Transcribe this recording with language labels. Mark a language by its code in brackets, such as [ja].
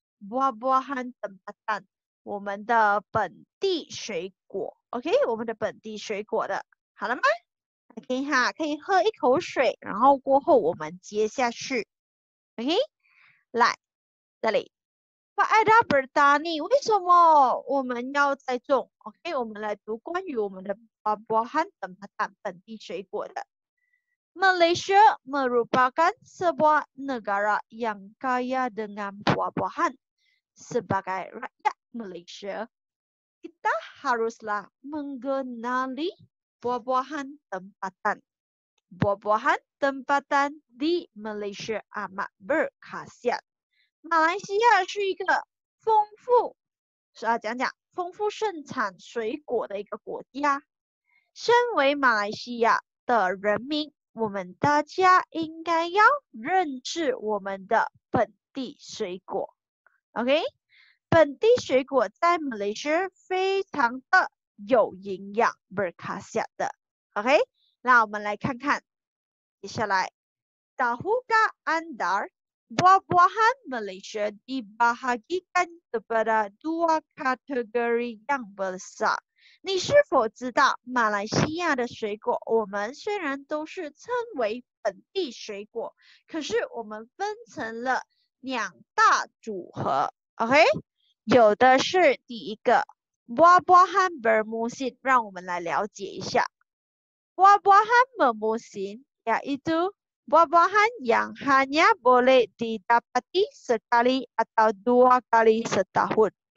[zh] buah-buahan tempatan, 我们的本地水果 ，OK， 我们的本地水果的，好了吗 ？OK 哈，可以喝一口水，然后过后我们接下去 ，OK， 来这里 ， [ms] Pak Ada bertani， [zh] 为什么我们要栽种 ？OK， 我们来读关于我们的 buah-buahan tempatan 本地水果的。 [ms] Malaysia merupakan sebuah negara yang kaya dengan buah-buahan. Sebagai rakyat Malaysia, kita haruslah mengenali buah-buahan tempatan. Buah-buahan tempatan di Malaysia amat berkhasiat. [zh] Malaysia 是一个丰富，是啊，讲讲丰富盛产水果的一个国家。身为马来西亚的人民，我们大家应该要认识我们的本地水果 ，OK？本地水果在马来西亚非常的有营养 ，berkhasiat 的 ，OK？那我们来看看，接下来 [ms] ，Tahukah anda buah-buahan Malaysia dibahagikan kepada dua kategori yang besar？ [zh] 你是否知道马来西亚的水果，我们虽然都是称为本地水果，可是我们分成了两大组合 ，OK？有的是第一个 [ms] buah-buahan bermusim， [zh] 让我们来了解一下 [ms] buah-buahan bermusim， yaitu buah-buahan yang hanya boleh didapati sekali atau dua kali setahun。